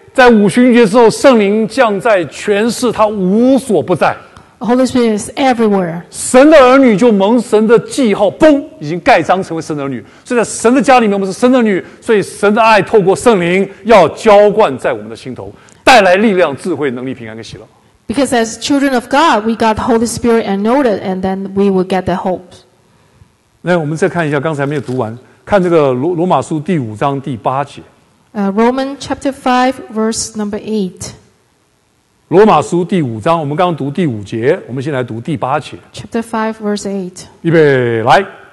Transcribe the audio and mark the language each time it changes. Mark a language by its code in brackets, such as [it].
[zh] 在五旬节之后，圣灵降在全世，他无所不在。 [en] Holy Spirit is everywhere. [zh] 神的儿女就蒙神的记号，嘣，已经盖章成为神的儿女。所以在神的家里面，我们是神的儿女，所以神的爱透过圣灵要浇灌在我们的心头，带来力量、智慧、能力、平安跟喜乐。 [en] Because as children of God, we got Holy Spirit and know it, and then we will get the hope. [zh] 那我们再看一下刚才没有读完，看这个罗马书第五章第八节。 [en] Roman chapter 5, verse number 8. [zh] 罗马书第五章，我们刚刚读第五节，我们先来读第八节。 [en] Chapter 5, verse 8. [zh] 预备，来。